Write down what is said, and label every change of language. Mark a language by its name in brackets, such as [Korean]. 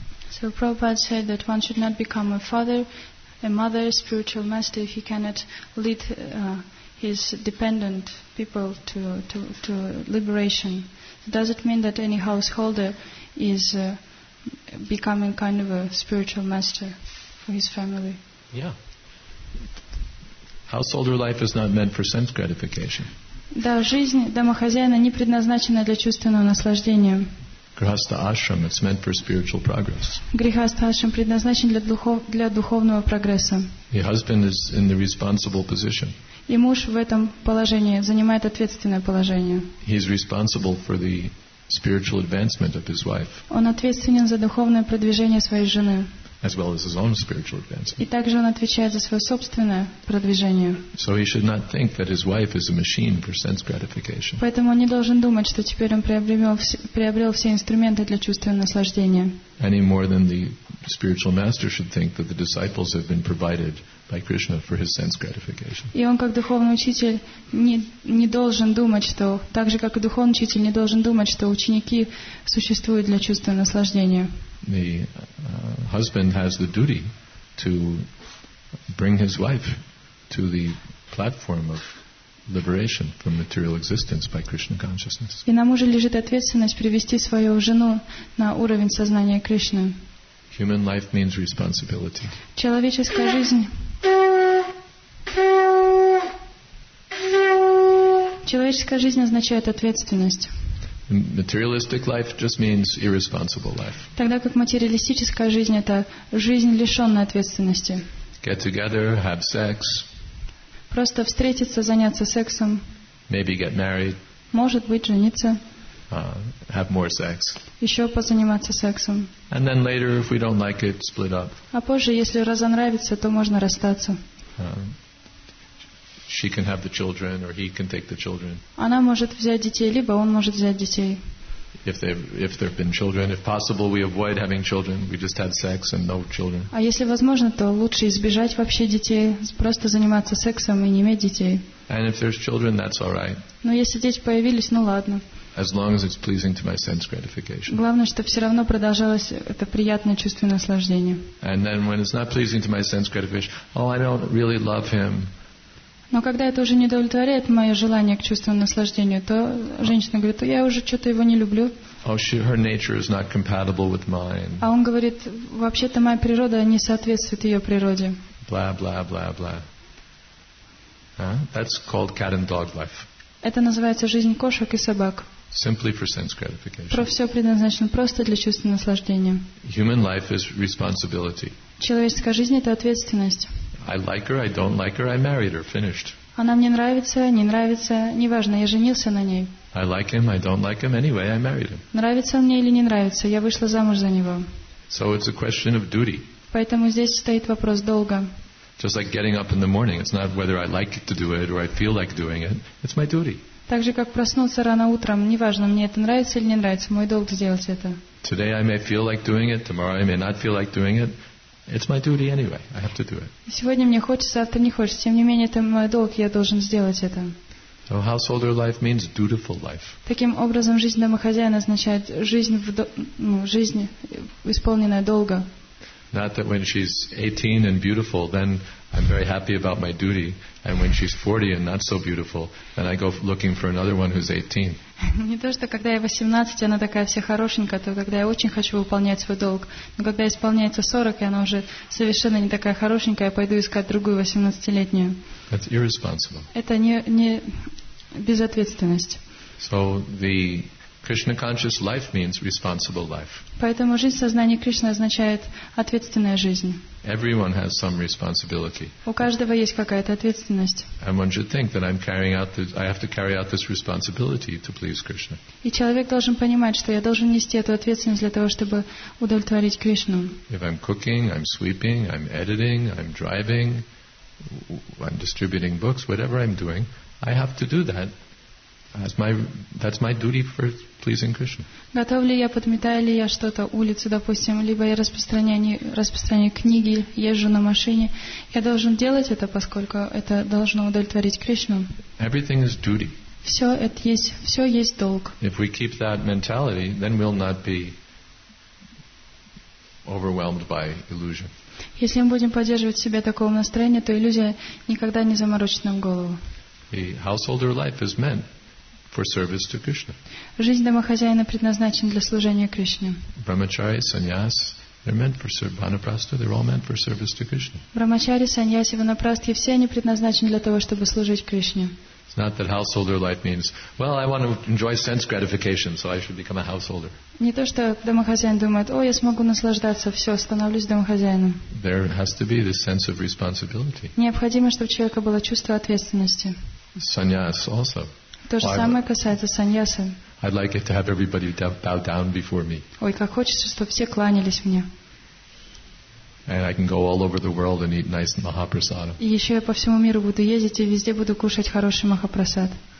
[English] So Prabhupada said that one should not become a father, a mother, a spiritual master, if he cannot lead his dependent people to liberation. Does it mean that any householder is becoming kind of a spiritual master for his family? Yeah. Householder life is not meant for sense gratification. [Russian] Да, жизнь домохозяина не предназначена для чувственного наслаждения. [English] Grihastha ashram, it's meant for spiritual progress. [Russian] Grihastha ashram предназначен для духовного прогресса. [English] The husband is in the responsible position. [Russian] И муж в этом положении занимает ответственное положение. [English] He is responsible for the spiritual advancement of his wife. [Russian] Он ответственен за духовное продвижение своей жены. [English] As well as his own spiritual advancement. [Russian] И также он отвечает за свое собственное продвижение. [English] So he should not think that his wife is a machine for sense gratification. [Russian] Поэтому он не должен думать, что теперь он приобрел все инструменты для чувственного наслаждения. [English] Any more than the spiritual master should think that the disciples have been provided by Krishna for his sense gratification. [Russian] И он как духовный учитель не должен думать, что так же как и духовный учитель не должен думать, что ученики существуют для чувственного наслаждения. [English] The husband has the duty to bring his wife to the platform of liberation from material existence by Krishna consciousness. [Russian] И на муже лежит ответственность привести свою жену на уровень сознания Кришны. [English] Human life means responsibility. [Russian] Человеческая жизнь. Человеческая жизнь означает ответственность. [English] Materialistic life just means irresponsible life. [Russian] Тогда как материалистическая жизнь — это жизнь, лишённая ответственности. [English] Get together, have sex. [Russian] Просто встретиться, заняться сексом. [English] Maybe get married. [Russian] Может быть, жениться. [English] Have more sex. [Russian] Ещё позаниматься сексом. [English] And then later, if we don't like it, split up. [Russian] А позже, если разонравится, то можно расстаться. [English] She can have the children, or he can take the children. [Russian] Она может взять детей, либо он может взять детей. [English] If there have been children, if possible, we avoid having children. We just had sex and no children. [Russian] А если возможно, то лучше избежать вообще детей, просто заниматься сексом и не иметь детей. [English] And if there's children, that's all right. [Russian] Но если дети появились, ну ладно. [English] As long as it's pleasing to my sense gratification. [Russian] Главное, чтобы все равно продолжалось это приятное чувственное наслаждение. [English] And then when it's not pleasing to my sense gratification, oh, I don't really love him. [Russian] Но когда это уже не удовлетворяет мое желание к чувственному наслаждению, то женщина говорит, я уже что-то его не люблю. [English] Oh, she, her nature is not compatible with mine. [Russian] А он говорит, вообще-то моя природа не соответствует ее природе. Бла-бла-бла-бла. [English] That's called cat and dog life. [Russian] Это называется жизнь кошек и собак. [English] Simply for sense gratification. [Russian] Про все предназначено просто для чувственного наслаждения. [English] Human life is responsibility. [Russian] Человеческая жизнь — это ответственность. [English] I like her, I don't like her, I married her, finished. [Russian] Она мне нравится, не нравится, неважно, я женился на ней. [English] I like him, I don't like him, anyway, I married him. [Russian] Нравится он мне или не нравится, я вышла замуж за него. [English] So it's a question of duty. [Russian] Поэтому здесь стоит вопрос долга. [English] Just like getting up in the morning, it's not whether I like to do it or I feel like doing it, it's my duty. [Russian] Так же, как проснуться рано утром, неважно, мне это нравится или не нравится, мой долг сделать это. [English] Today I may feel like doing it, tomorrow I may not feel like doing it, it's my duty anyway, I have to do it. [Russian] Сегодня мне хочется, завтра не хочется, тем не менее, это мой долг, я должен сделать это. [English] So householder life means dutiful life. [Russian] Таким образом, жизнь домохозяина означает жизнь, жизнь исполненная долга. [English] Not that when she's 18 and beautiful, then I'm very happy about my duty. And when she's 40 and not so beautiful, then I go looking for another one who's 18. [Russian] Не то, что когда я 18, она такая вся хорошенькая, то когда я очень хочу выполнять свой долг. Но когда исполняется 40, и она уже совершенно не такая хорошенькая, я пойду искать другую 18-летнюю. [English] That's irresponsible. [Russian] Это не безответственность. [English] So the Krishna conscious life means responsible life. [Russian] Поэтому жизнь сознания Кришны означает ответственная жизнь. [English] Everyone has some responsibility. [Russian] У каждого есть какая-то ответственность. [English] And one should think that I'm carrying out this, I have to carry out this responsibility to please Krishna. [Russian] И человек должен понимать, что я должен нести эту ответственность для того, чтобы удовлетворить Кришну. [English] If I'm cooking, I'm sweeping, I'm editing, I'm driving, I'm distributing books, whatever I'm doing, I have to do that. That's my duty for pleasing Krishna. [Russian] Готов ли я, подметаю ли я что-то, улицу, допустим, либо я распространяю книги, езжу на машине. Я должен делать это, поскольку это должно удовлетворить Кришну. [English] Everything is duty. [Russian] Все есть долг. [English] If we keep that mentality, then we'll not be overwhelmed by illusion. [Russian] Если мы будем поддерживать в себе такого настроения, то иллюзия никогда не заморочит нам голову. [English] The householder life is meant for service to Krishna. [Russian] Жизнь домохозяина предназначена для служения Кришне. [English] Brahmachari, sannyas, they're meant for service. Vanaprastha, they're all meant for service to Krishna. [Russian] Brahmachari, sannyas, vanaprastha, все они предназначены для того, чтобы служить Кришне. [English] It's not that householder life means, well, I want to enjoy sense gratification, so I should become a householder. [Russian] Не то, что домохозяин думает, о, я смогу наслаждаться, все, становлюсь домохозяином. [English] There has to be this sense of responsibility. [Russian] Необходимо, чтобы у человека было чувство ответственности. [English] Sannyas also. [Russian] То же самое касается саньяса. [English] I'd like it to have everybody bow down before me. [Russian] Ой, как хочется, чтобы все кланялись мне. [English] And I can go all over the world and eat nice mahaprasadam. [Russian] И еще я по всему миру буду ездить и везде буду кушать хороший махапрасад.